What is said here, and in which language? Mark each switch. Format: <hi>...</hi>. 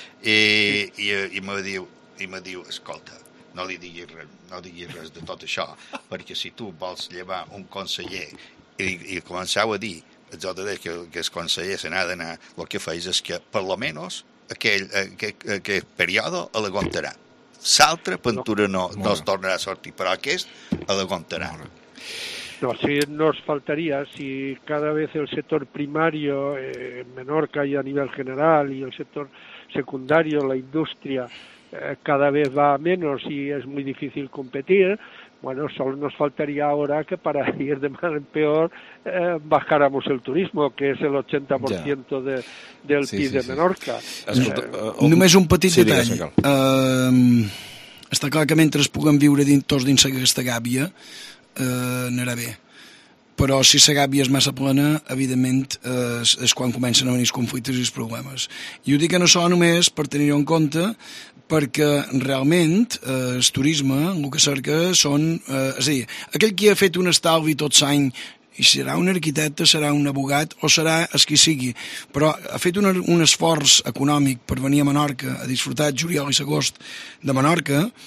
<ca>I me diu, escolta, no li diguis res, no diguis res de tot això, perquè si tu vols llevar un conseller i començau a dir el JD, que és conseller, se n'ha d'anar, el que feix és que, per lo menos, aquell període l'aguantarà. L'altra pintura no es tornarà a sortir, però aquest l'aguantarà.</ca> <es>No, si nos faltaría, si cada vez el sector primario en Menorca y a nivel general y el sector secundario, la industria, cada vez va a menos y es muy difícil competir, bueno, solo nos faltaría ahora que para ir de mal en peor bajáramos el turismo, que es el 80% del PIB de Menorca.</es> <ca>Només un petit detall. Sí, està clar que mentre puguem viure tots dins aquesta gàbia, anirà bé, però si la gàbia és massa plena, evidentment és quan comencen a venir els conflictes i els problemes. I ho dic que no sóc només per tenir-ho en compte, perquè realment el turisme el que cerca són, és a dir, aquell qui ha fet un estalvi tot l'any, i serà un arquitecte, serà un advocat o serà el qui sigui, però ha fet un esforç econòmic per venir a Menorca a disfrutar juliol i agost de Menorca.</ca>